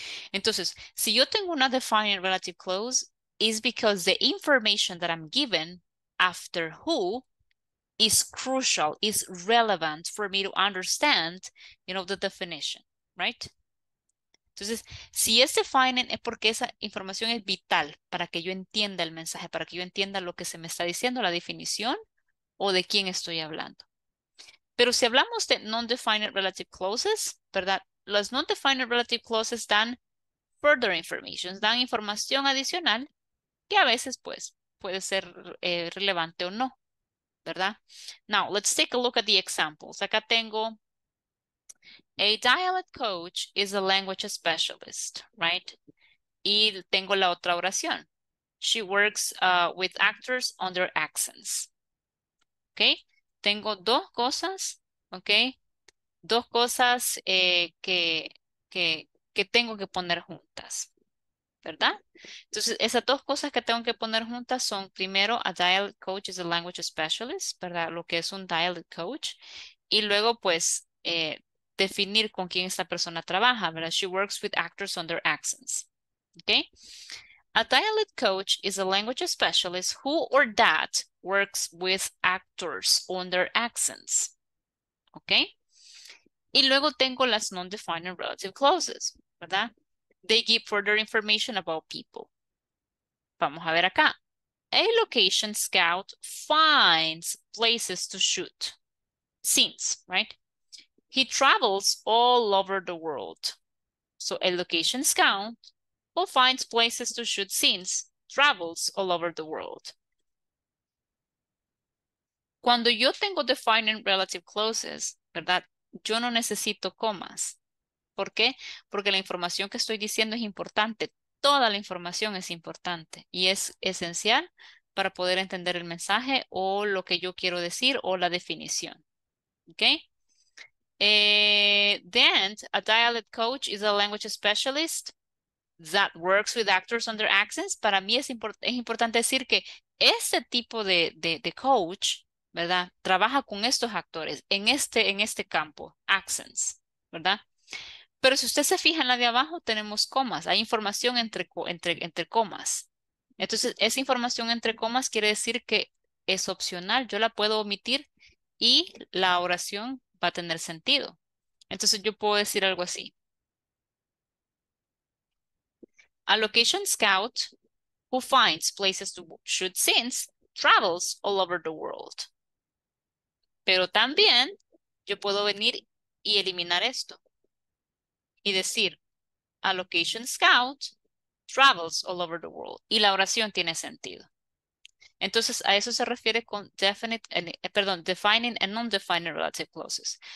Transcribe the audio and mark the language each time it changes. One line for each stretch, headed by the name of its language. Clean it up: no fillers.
Spanish: Entonces, si yo tengo una
English: defining relative clause, it's because the information that I'm given after who is crucial, is relevant for me to understand, you know, the definition, right?
Spanish: Entonces, si es defining, es porque esa información es vital para que yo entienda el mensaje, para que yo entienda lo que se me está diciendo, la definición o de quién estoy hablando. Pero si hablamos de non-defining relative clauses, ¿verdad? Las non-defining relative clauses dan
English: further information,
Spanish: dan información adicional que a veces, pues, puede ser relevante o no, ¿verdad?
English: Now, let's take a look at the examples.
Spanish: Acá tengo...
English: A dialect coach is a language specialist, right?
Spanish: Y tengo la otra oración.
English: She works with actors on their accents. Okay?
Spanish: Tengo dos cosas, okay? Dos cosas que tengo que poner juntas, ¿verdad? Entonces, esas dos cosas que tengo que poner juntas son, primero,
English: a dialect coach is a language specialist,
Spanish: ¿verdad? Lo que es un dialect coach. Y luego, pues, definir con quién esta persona trabaja, ¿verdad?
English: She works with actors on their accents, okay? A dialect coach is a language specialist who or that works with actors on their accents, okay?
Spanish: Y luego tengo las non-defining relative clauses, ¿verdad?
English: They give further information about people.
Spanish: Vamos a ver acá.
English: A location scout finds places to shoot scenes, right? He travels all over the world. So a location scout who finds places to shoot scenes, travels all over the world.
Spanish: Cuando yo tengo defining relative clauses, ¿verdad? Yo no necesito comas. ¿Por qué? Porque la información que estoy diciendo es importante. Toda la información es importante y es esencial para poder entender el mensaje o lo que yo quiero decir o la definición. ¿Okay?
English: Then, a dialect coach is a language specialist that works with actors under accents.
Spanish: Para mí es importante decir que este tipo de coach, ¿verdad? Trabaja con estos actores en este campo, accents, ¿verdad? Pero si usted se fija en la de abajo, tenemos comas. Hay información entre comas. Entonces, esa información entre comas quiere decir que es opcional. Yo la puedo omitir y la oración va a tener sentido. Entonces, yo puedo decir algo así.
English: A location scout who finds places to shoot scenes travels all over the world.
Spanish: Pero también yo puedo venir y eliminar esto. Y decir,
English: a location scout travels all over the world.
Spanish: Y la oración tiene sentido. Entonces, a eso se refiere con defining and non-defining relative clauses.